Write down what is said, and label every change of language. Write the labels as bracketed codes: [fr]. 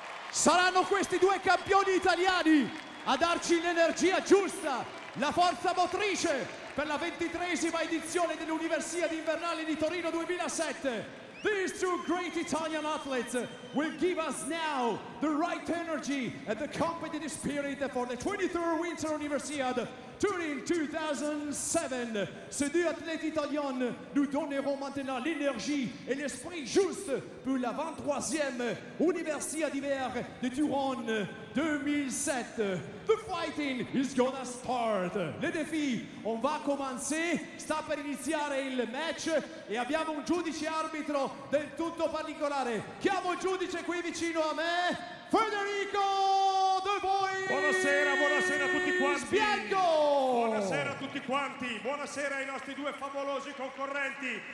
[it] Saranno questi due campioni italiani a darci l'energia giusta, la forza motrice per la 23esima edizione dell'Universiade Invernale di Torino 2007. [en] These two great Italian athletes will give us now the right energy and the competitive spirit for the 23rd Winter Universiade Turin 2007. [fr] Ces deux athlètes italiens nous donneront maintenant l'énergie et l'esprit juste pour la 23e Universiade d'hiver de Turin 2007. [en] The fighting is gonna start. [fr] Le défi, on va commencer. [it] Sta per iniziare il match e abbiamo un giudice arbitro del tutto particolare. Chiamo il giudice qui vicino a me, Federico De Voi. Buonasera, buonasera a tutti quanti. Spiego. Buonasera a tutti quanti. Buonasera ai nostri due favolosi concorrenti.